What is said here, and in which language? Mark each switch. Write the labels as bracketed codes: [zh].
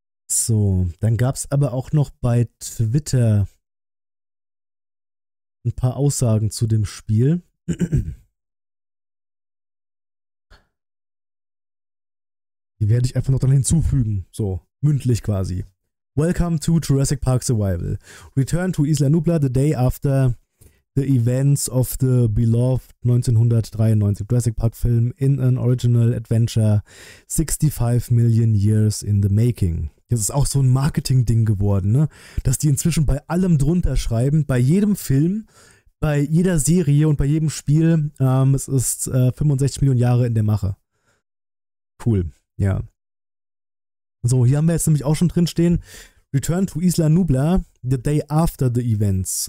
[de] So, dann gab es aber auch noch bei Twitter ein paar Aussagen zu dem Spiel. Die werde ich einfach noch dann hinzufügen, so mündlich quasi. [en] Welcome to Jurassic Park Survival. Return to Isla Nublar the day after the events of the beloved 1993 Jurassic Park film in an original adventure 65 million years in the making. [de] Das ist auch so ein Marketing-Ding geworden, ne? Dass die inzwischen bei allem drunter schreiben, bei jedem Film, bei jeder Serie und bei jedem Spiel, es ist 65 Millionen Jahre in der Mache. Cool, ja. So, hier haben wir jetzt nämlich auch schon drin stehen, [en] Return to Isla Nublar, the day after the events.